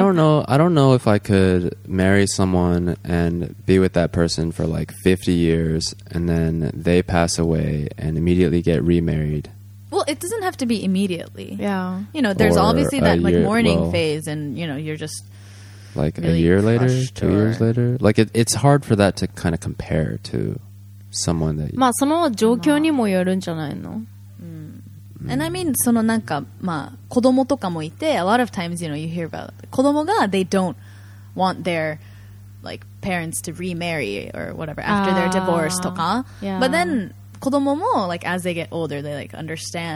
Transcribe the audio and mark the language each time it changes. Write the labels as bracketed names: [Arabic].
[English] I don't know if I could marry someone and be with that person for like 50 years and then they pass away and immediately get remarried. Well, it doesn't have to be immediately. Yeah. You know, there's obviously that like mourning phase and, you know, you're just... Like really a year later, two or... years later? Like it's hard for that to kind of compare to... Someone that [Japanese] まあその状況にもよるんじゃないの、まあうん、 [English] And I mean [Japanese] そのなんかまあ子供とかもいて [English] A lot of times you know you hear about [Japanese] 子供が [English] they don't want their like parents to remarry or whatever after their divorce [Japanese] とか、 [English] yeah. But then [Japanese] 子供も [English] like as they get older they like understand、